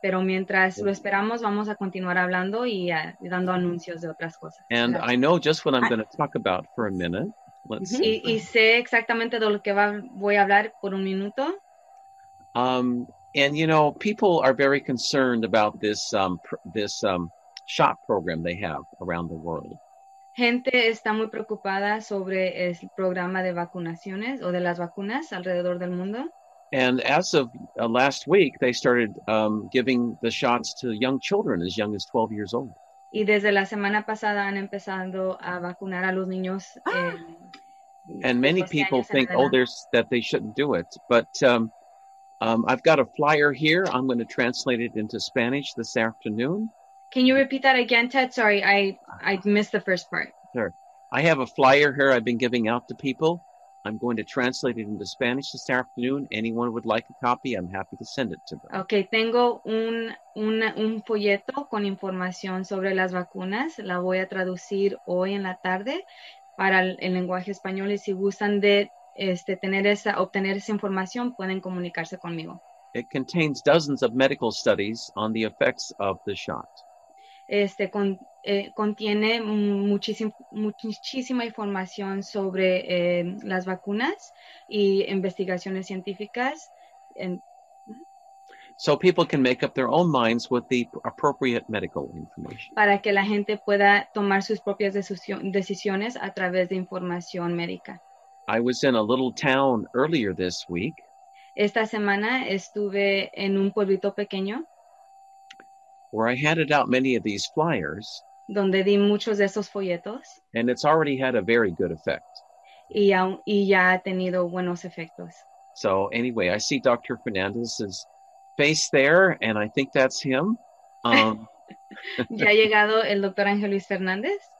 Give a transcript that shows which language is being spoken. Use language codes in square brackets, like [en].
[es] Pero mientras lo esperamos, vamos a continuar hablando y dando anuncios de otras cosas. [en] And claro. I know just what I'm going to talk about for a minute. Let's see. [es] Y sé exactamente de lo que voy a hablar por un minuto. [en] And, you know, people are very concerned about this shot program they have around the world. [es] Gente está muy preocupada sobre el programa de vacunaciones o de las vacunas alrededor del mundo. [en] And as of last week, they started giving the shots to young children as young as 12 years old. [es] Y desde la semana pasada han empezado a vacunar a los niños. [en] And many people think, that they shouldn't do it. But... I've got a flyer here. I'm going to translate it into Spanish this afternoon. Can you repeat that again, Ted? Sorry, I missed the first part. Sure. I have a flyer here I've been giving out to people. I'm going to translate it into Spanish this afternoon. Anyone would like a copy, I'm happy to send it to them. [es] Okay, tengo un folleto con información sobre las vacunas. La voy a traducir hoy en la tarde para el lenguaje español. Y si gustan de... obtener esa información, pueden comunicarse conmigo. [en] It contains dozens of medical studies on the effects of the shot. [es] Contiene muchísima información sobre las vacunas y investigaciones científicas. [en] So people can make up their own minds with the appropriate medical information. [es] Para que la gente pueda tomar sus propias decisiones a través de información médica. [en] I was in a little town earlier this week. [es] Esta semana estuve en un pueblito pequeño. [en] Where I handed out many of these flyers. [es] Donde di muchos de esos folletos. [en] And it's already had a very good effect. [es] Y ya ha tenido buenos efectos. [en] So anyway, I see Dr. Fernandez's face there, and I think that's him. [es] ya ha llegado el doctor Ángel Luis Fernández.